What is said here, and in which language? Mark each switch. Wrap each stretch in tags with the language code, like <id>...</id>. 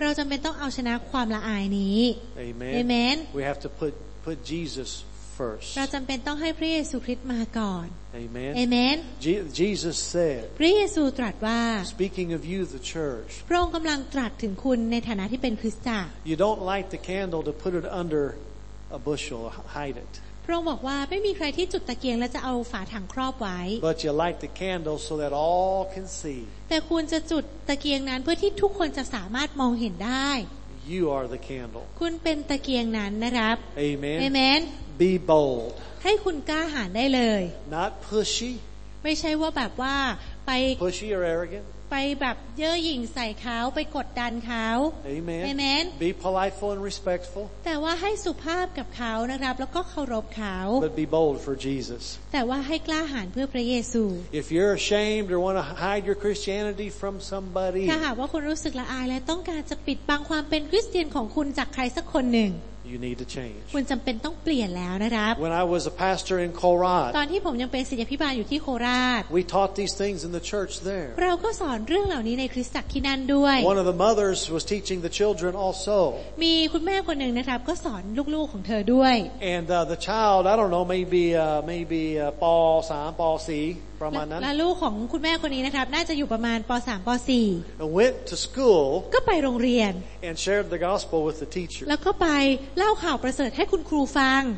<th>เราจำเป็นต้องเอาชนะความละอายนี้</th> <en>amen amen we have to put Jesus first</en> <th>เราจำเป็นต้องให้พระเยซูคริสต์มาก่อน</th> <en>amen amen Jesus said</en> <th>พระเยซูตรัสว่า</th> <en>speaking of you the church</en> <th>พระองค์กำลังตรัสถึงคุณในฐานะที่เป็นคริสตจักร</th> <en>you don't light the candle to put it undera bushel hide it</en> <th>พระองค์บอกว่าไม่มีใครที่จุดตะเกียงแล้วจะเอาฝาถังครอบไว้</th> <en>but you light the candle so that all can see</en> <th>แต่คุณจะจุดตะเกียงนั้นเพื่อที่ทุกคนจะสามารถมองเห็นได้</th> <en>you are the candle</en> <th>คุณเป็นตะเกียงนั้นนะครับ</th> <en>amen amen be bold</en> <th>ให้คุณกล้าหาญได้เลย</th> <en>not pushy</en> <th>ไม่ใช่ว่าแบบว่าไป</th> <en>pushy or arrogant</en> <th>ไปแบบเย่อหยิ่งใส่เขาไปกดดันเขา</th> <en>Amen. Amen. Be politeful and respectful.</en> <th>แต่ว่าให้สุภาพกับเขานะครับแล้วก็เคารพเขา</th> <en>But be bold for Jesus.</en> <th>แต่ว่าให้กล้าหาญเพื่อพระเยซู</th> <en>If you're ashamed or want to hide your Christianity from somebody.</en> <th>ถ้าหากว่าคุณรู้สึกละอายและต้องการจะปิดบังความเป็นคริสเตียนของคุณจากใครสักคนหนึ่ง</th> <en>You need to change.</en> <th>คุณจำเป็นต้องเปลี่ยนแล้วนะครับ</th> <en>When I was a pastor in Korat.</en> <th>ตอนที่ผมยังเป็นศิษยาภิบาลอยู่ที่โคราช</th> <en>We taught these things in the church there.</en> <th>เราก็สอนเรื่องเหล่านี้ในคริสตจักรที่นั่นด้วย</th> <en>One of the mothers was teaching the children also.</en> <th>มีคุณแม่คนหนึ่งนะครับก็สอนลูกๆของเธอด้วย</th> <en>And the child, I don't know, maybe</en> <th>ป.3 ป.4 และลูกของคุณแม่คนนี้นะครับน่าจะอยู่ประมาณป.3 ป.4</th> <en>went to school</en> <th>ก็ไปโรงเรียน</th> <en>and shared the gospel with the teacher</en> <th>แล้วก็ไปเล่าข่าวประเสริฐให้คุณครูฟัง</th>